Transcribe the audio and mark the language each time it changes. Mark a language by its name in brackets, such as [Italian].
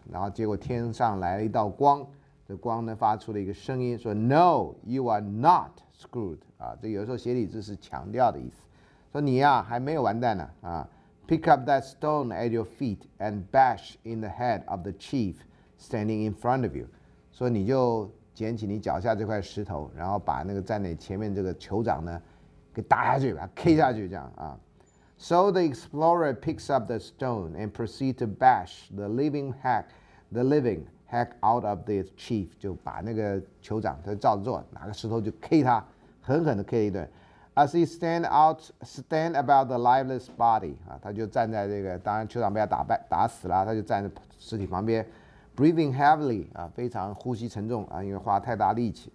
[Chinese] 然后结果天上来了一道光，这光呢发出了一个声音说 ： [English] “No, you are not。” [Chinese] Screwed 啊，这有时候写理智是强调的意思，说你呀，啊，还没有完蛋呢啊。 [English] Pick up that stone at your feet and bash in the head of the chief standing in front of you。 [Chinese] 说你就捡起你脚下这块石头，然后把那个站在前面这个酋长呢，给给打下去，把它 K 下去，这样啊。 [English] So the explorer picks up the stone and proceeds to bash the living hack, the living hack out of the chief. [Chinese] 就把那个酋长，他照着做，拿个石头就 K 他，狠狠的 K 一顿。 [English] As he stand about the lifeless body, [Chinese] 啊，他就站在这个，当然酋长被他打死了，他就站在尸体旁边。 [English] Breathing heavily, [Chinese] 啊，非常呼吸沉重啊，因为花太大力气。